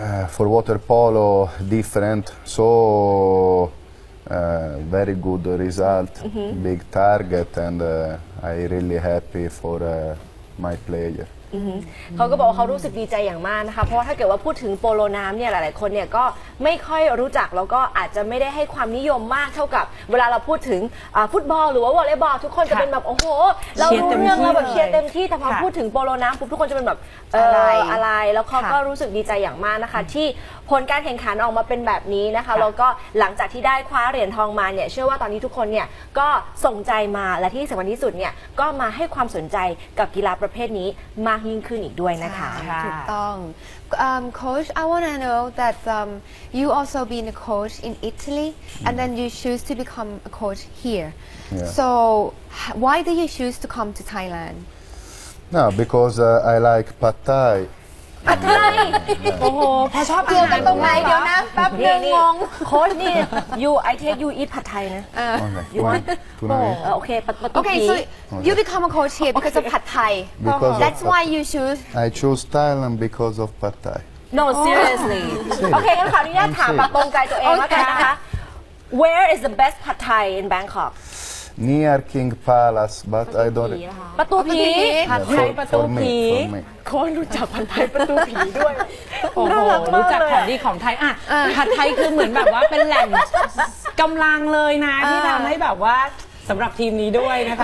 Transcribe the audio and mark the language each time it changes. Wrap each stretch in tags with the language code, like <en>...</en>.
<en>for water polo different so very good result big target and I really happy for my player</en> <th>เขาก็บอกเขารู้สึกดีใจอย่างมากนะคะเพราะถ้าเกิดว่าพูดถึงโปโลน้ำเนี่ยหลายๆคนเนี่ยก็ไม่ค่อยรู้จักแล้วก็อาจจะไม่ได้ให้ความนิยมมากเท่ากับเวลาเราพูดถึงฟุตบอลหรือว่าวอลเลย์บอลทุกคนจะเป็นแบบโอ้โหเรารู้เรื่องเราแบบเชียร์เต็มที่แต่พอพูดถึงโปโลน้ำปุ๊บทุกคนจะเป็นแบบ อะไร อะไรแล้วเขาก็รู้สึกดีใจอย่างมากนะคะที่ผลการแข่งขันออกมาเป็นแบบนี้นะคะแล้วก็หลังจากที่ได้คว้าเหรียญทองมาเนี่ยเชื่อว่าตอนนี้ทุกคนเนี่ยก็ส่งใจมาและที่สำคัญที่สุดเนี่ยก็มาให้ความสนใจกับกีฬาประเภทนี้มา ากยิ่งขึ้นอีกด้วยนะคะ ถูกต้อง</th> <en>Coach I want to know that you also been a coach in Italy and then you choose to become a coach here so why do you choose to come to Thailand No because I like Pad Thai</en> <th>ผัดไทยโอ้โหพอชอบ เดียวกันตรงไหนเดี๋ยวนะแป๊บนึงงง โค้ชนี่</th> <en>you I take you eat ผัดไทยนะ</en> <th>โอเ คโอเค</th> <en>so you become a coach here because of ผัดไทย that's why you choose I choose Thailand because of Pad Thai no seriously</en> <th>โอเคงั้นขออนุญาตถามตรงใจตัวเองแล้วกันนะคะ</th> <en>where is the best</en> <th>ผัดไทย in Bangkok</th> <en>Near King Palace, but I don't. Yeah. ประตูผี</en> <th>ผัดไทยประตูผีคนรู้จักผัดไทยประตูผีด้วยโอ้โหรู้จักของดีของไทยอ่ะผัดไทยคือเหมือนแบบว่าเป็นแหล่งกำลังเลยนะที่ทำให้แบบว่าสำหรับทีมนี้ด้วยนะคะ</th>